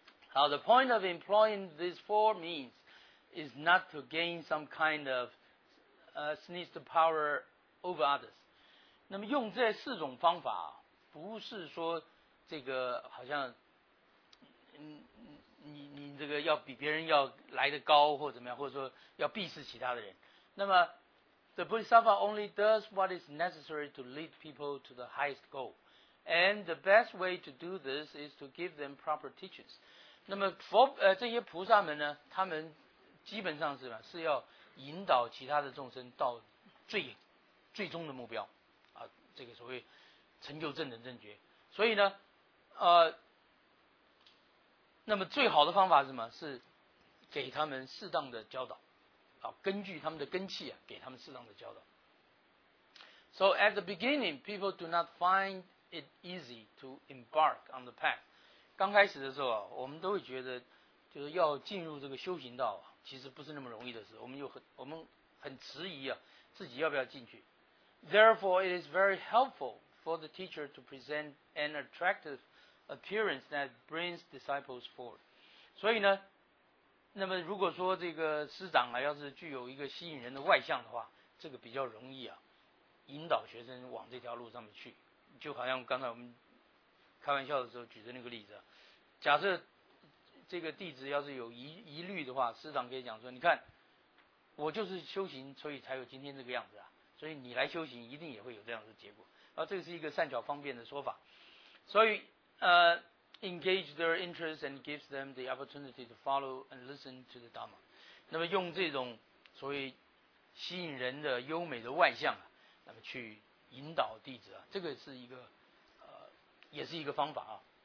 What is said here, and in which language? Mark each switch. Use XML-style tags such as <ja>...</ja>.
<en>好，the point of employing these four means is not to gain some kind of sneezed power。 Over others，</en> <zh>那么用这四种方法、啊，不是说这个好像，你这个要比别人要来得高或怎么样，或者说要鄙视其他的人。</zh> <en>那么 ，the Bodhisattva only does what is necessary to lead people to the highest goal， and the best way to do this is to give them proper teachings。</en> <zh>那么佛这些菩萨们呢，他们基本上是什么？是要引导其他的众生到最终的目标啊，这个所谓成就正等正觉。所以呢那么最好的方法是什么？是给他们适当的教导啊，根据他们的根器啊，给他们适当的教导。</zh> <en>So at the beginning people do not find it easy to embark on the path。</en> <zh>刚开始的时候啊，我们都会觉得就是要进入这个修行道啊，其实不是那么容易的事，我们很迟疑啊，自己要不要进去。</zh> <en>Therefore, it is very helpful for the teacher to present an attractive appearance that brings disciples forward.</en> <zh>所以呢，那么如果说这个师长啊，要是具有一个吸引人的外向的话，这个比较容易啊，引导学生往这条路上面去。就好像刚才我们开玩笑的时候举的那个例子，假设这个弟子要是有疑虑的话，师长可以讲说，你看，我就是修行，所以才有今天这个样子啊。所以你来修行一定也会有这样的结果。啊，这个是一个善巧方便的说法。</zh> <en>所以engage their interest and gives them the opportunity to follow and listen to the Dharma。</en> <zh>那么用这种所谓吸引人的优美的外向啊，那么去引导弟子啊，这个是一个也是一个方法啊。</zh>